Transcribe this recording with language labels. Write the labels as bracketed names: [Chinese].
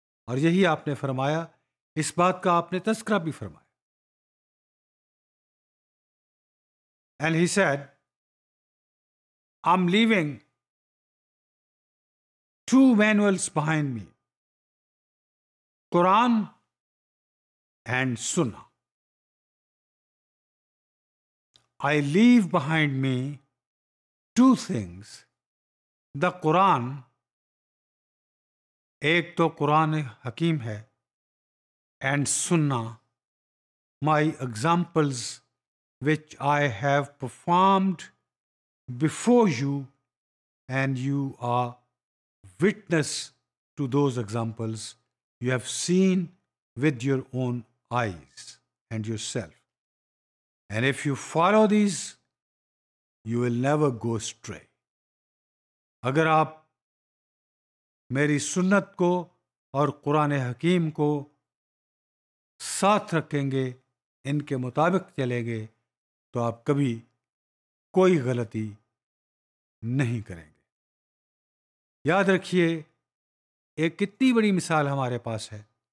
[Urdu] اور یہی آپ نے فرمایا، اس بات کا آپ نے تذکرہ بھی فرمایا۔ [English] And he said, I'm leaving two manuals behind me, Quran and Sunnah. I leave behind me two things, the Quran, [Urdu] ایک تو قرآن حکیم ہے، [English] and Sunnah, my examples which I have performed before you and you are witness to those examples you have seen with your own eyes and yourself. And if you follow these, you will never go astray. [Urdu] اگر آپ میری سنت کو اور قرآن حکیم کو ساتھ رکھیں گے، ان کے مطابق چلیں گے، تو آپ کبھی کوئی غلطی نہیں کریں گے۔ یاد رکھیے، ایک کتنی بڑی مثال ہمارے پاس ہے